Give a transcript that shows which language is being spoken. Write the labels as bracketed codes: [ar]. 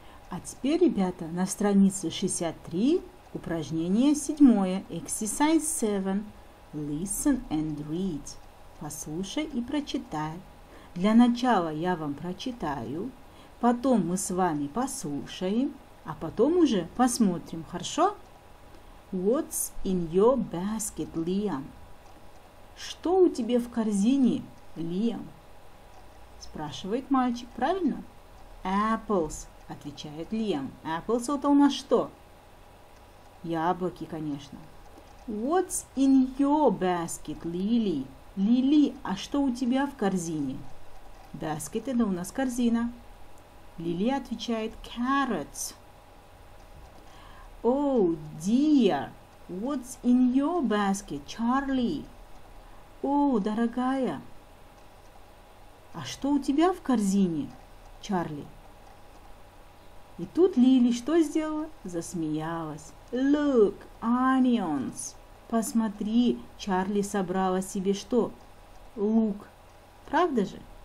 [ru] А теперь, ребята, на странице 63, упражнение 7, [en] exercise 7. Listen and read. [ru] Послушай и прочитай. Для начала я вам прочитаю, потом мы с вами послушаем, а потом уже посмотрим, хорошо? [en] What's in your basket, Liam? [ru] Что у тебя в корзине, Liam? Спрашивает мальчик, правильно? Apples, отвечает Liam. Apples это у нас что? Яблоки, конечно. [en] What's in your basket, Lily? [ru] Lily, а что у тебя в корзине? Basket это у нас корзина. [en] Lily [ru] отвечает [en] carrots. Oh dear, what's in your basket, Charlie? [ru] Oh, дорогая, а что у тебя в корзине, Чарли? И тут Лили что сделала? Засмеялась. [en] Look, onions. [ru] Посмотри, Чарли собрала себе что? Лук. Правда же?